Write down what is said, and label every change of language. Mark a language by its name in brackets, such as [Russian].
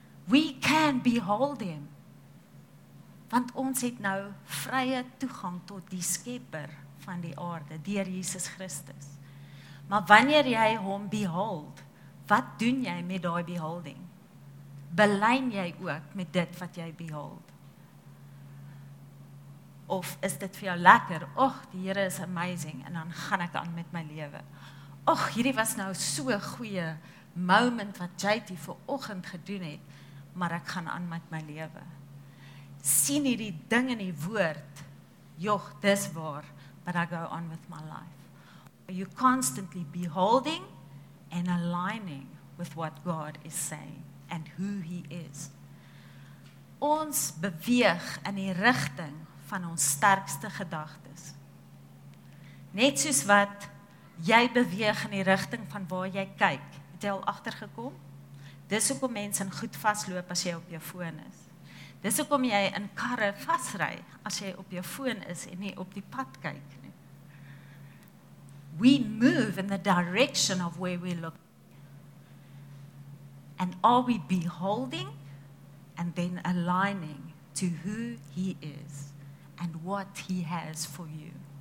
[English] We can behold him. [Afrikaans] Want ons het nou vrye toegang tot die skepper van die aarde, deur Jesus Christus. Maar wanneer jy hom behold, wat doen jy met daai beholding? Belyn jy ook met dit wat jy behold? Of is dit vir jou lekker? Och, die Here is amazing en dan gaan ek aan met my lewe. Och, hierdie was nou so goeie moment wat jy die vooroggend gedoen het, maar ek gaan aan met my lewe. Sien hierdie ding in die woord, joh, dis waar, [English] but I go on with my life. Are you constantly beholding and aligning with what God is saying and who he is? [Afrikaans] Ons beweeg in die rigting van ons sterkste gedagtes. Net soos wat jy beweeg in die rigting van waar jy kyk, het al agtergekom? Dis hoekom mense in goed vasloop as jy op jou foon is. Dis hoekom jy in karre vasry as jy op jou foon is en nie op die pad kyk nie. [English] We move in the direction of where we look. And are we beholding and then aligning to who he is and what he has for you?